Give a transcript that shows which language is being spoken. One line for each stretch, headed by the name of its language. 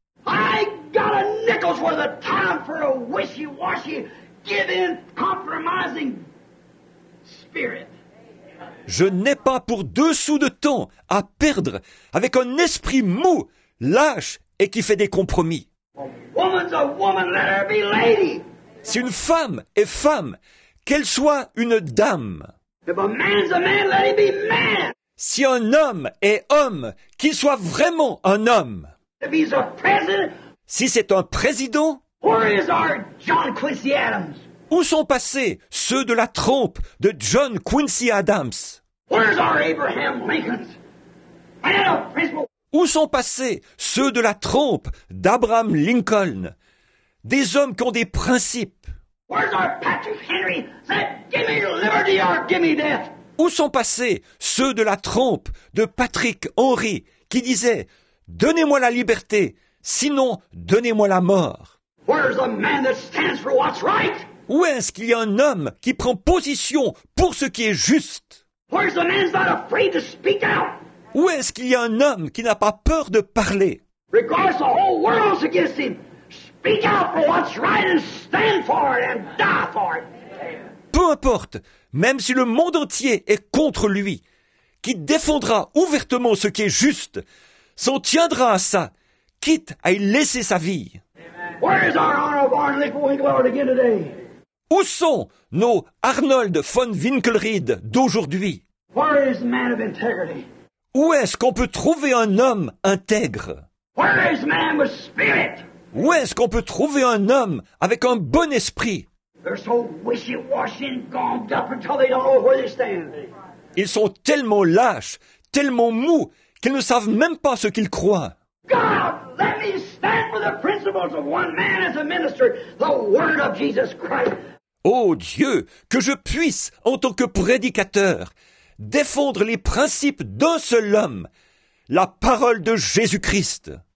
English: I got a nickel's worth of time for a wishy-washy, give-in, compromising spirit.
French: Je n'ai pas pour deux sous de temps à perdre avec un esprit mou, lâche, et qui fait des compromis.
English: Woman's a woman, let her be lady.
French: Si une femme est femme, qu'elle soit une dame.
English: If a man's a man, let him be man.
French: Si un homme est homme, qu'il soit vraiment un homme.
English: If he's a president,
French: si c'est un président,
English: where is our John Quincy Adams?
French: Où sont passés ceux de la trompe de John Quincy Adams?
English: Where's our Abraham Lincoln's? And a principle.
French: Où sont passés ceux de la trompe d'Abraham Lincoln, des hommes qui ont des principes?
English: Where's our Patrick Henry said, give me liberty or give me death?
French: Où sont passés ceux de la trompe de Patrick Henry qui disait, donnez-moi la liberté, sinon donnez-moi la mort?
English: Where's the man that stands for what's right?
French: Où est-ce qu'il y a un homme qui prend position pour ce qui est juste?
English: Where's the man that's not afraid to speak out?
French: Où est-ce qu'il y a un homme qui n'a pas peur de parler?
English: Regardless, the whole world's against him. Speak out for what's right and stand for it and die for it.
French: Peu importe, même si le monde entier est contre lui, qui défendra ouvertement ce qui est juste, s'en tiendra à ça, quitte à y laisser sa vie.
English: Where is our Arnold von Winkelried again today?
French: Où sont nos Arnold von Winkelried d'aujourd'hui?
English: Where is the man of integrity?
French: Où est-ce qu'on peut trouver un homme intègre?
English: Where is man with spirit?
French: Où est-ce qu'on peut trouver un homme avec un bon esprit?
English: They're so wishy-washy and gonged up until they don't know where they stand.
French: Ils sont tellement lâches, tellement mous, qu'ils ne savent même pas ce qu'ils croient.
English: God, let me stand for the principles of one man as a minister, the word of Jesus Christ.
French: Oh Dieu, que je puisse, en tant que prédicateur, défendre les principes d'un seul homme, la parole de Jésus-Christ.